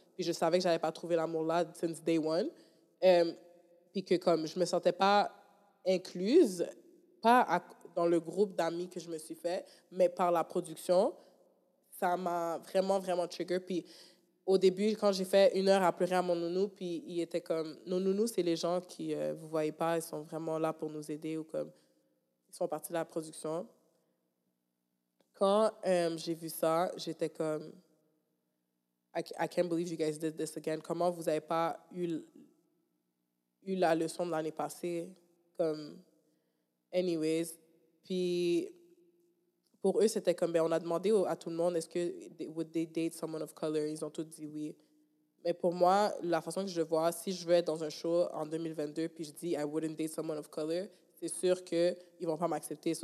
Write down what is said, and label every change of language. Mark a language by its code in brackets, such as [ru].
[fr] Puis je savais que j'allais pas trouver l'amour là [en] since day one. [fr] Puis que comme je me sentais pas incluse, pas dans le groupe d'amis que je me suis fait, mais par la production, ça m'a vraiment vraiment trigger. Puis au début, quand j'ai fait une heure à pleurer à mon nounou, puis il était comme, nos nounous, c'est les gens qui vous voyez pas, ils sont vraiment là pour nous aider ou comme ils sont partis de la production. Quand j'ai vu ça, j'étais comme, [en] I can't believe you guys did this again. [fr] Comment vous avez pas eu la leçon de l'année passée? Comme, anyways. Puis, pour eux, c'était comme, ben, on a demandé à tout le monde, est-ce que [en] would they date someone of color? [fr] Ils ont tous dit oui. Mais pour moi, la façon que je vois, si je vais dans un show en 2022, puis je dis, [en] I wouldn't date someone of color, [fr] c'est sûr qu'ils vont pas m'accepter.